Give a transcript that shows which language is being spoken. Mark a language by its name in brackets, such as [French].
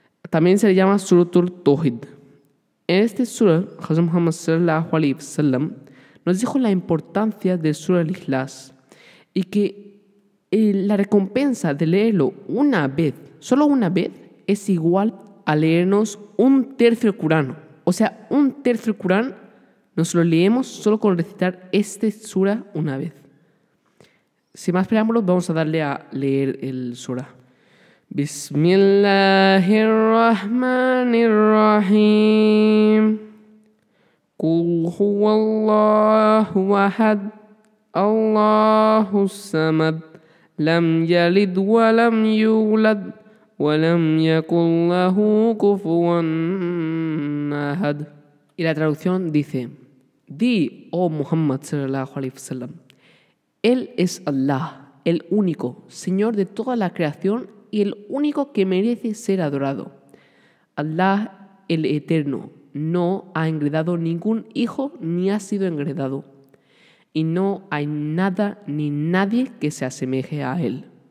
[Spanish] También se le llama Surah Al-Tawhid. En este surah, Hazrat Muhammad sallallahu alayhi wa sallam nos dijo la importancia del Surah Al-Ikhlas y que la recompensa de leerlo una vez, solo una vez, es igual a leernos un tercio del Corán. O sea, un tercio del Corán nos lo leemos solo con recitar este surah una vez. Sin más preámbulos, vamos a darle a leer el surah. [Arabic] بسم الله الرحمن الرحيم قل هو الله أحد الله الصمد لم يلد ولم يولد ولم يكن له كفوا أحد. [Spanish] Y la traducción dice: di, oh Muhammad sallallahu alaihi wasallam, él es Allah, el único señor de toda la creación y el único que merece ser adorado. Allah, el Eterno, no ha engendrado ningún hijo ni ha sido engendrado, y no hay nada ni nadie que se asemeje a él.